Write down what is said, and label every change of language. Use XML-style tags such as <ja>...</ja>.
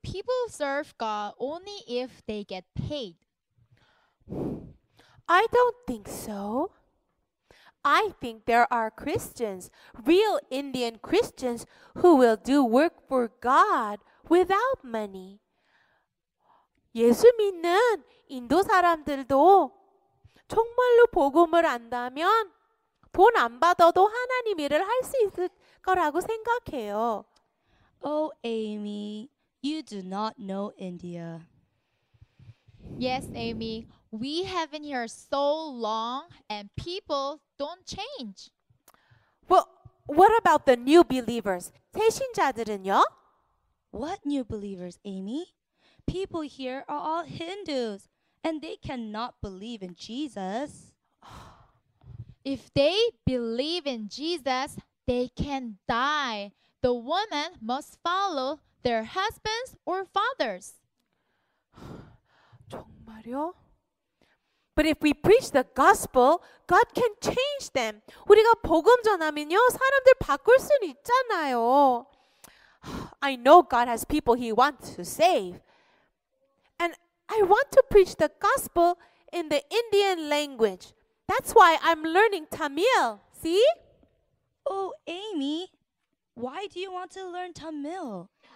<en>People serve God only if they get paid. I don't think so. I think there are Christians, real Indian Christians, who will do work for God without money.</en> <ko>예수 믿는 인도 사람들도 정말로 복음을 안다면 돈 안 받아도 하나님 일을 할 수 있을 거라고 생각해요.</ko> <en>Oh, Amy, you do not know India. Yes, Amy, we have been here so long and people don't change. Well, what about the new believers?</en> <ko>새 신자들은요?</ko> <en>What new believers, Amy? People here are all Hindus and they cannot believe in Jesus. If they believe in Jesus, they can die. The woman must follow their husbands or fathers.</en> <ko>정말요?</ko> <en>But if we preach the gospel, God can change them.</en> <ko>우리가 복음 전하면요, 사람들 바꿀 수 있잖아요.</ko> <en>I know God has people he wants to save. And I want to preach the gospel in the Indian language. That's why I'm learning Tamil. See? Oh, Amy, why do you want to learn Tamil?</en>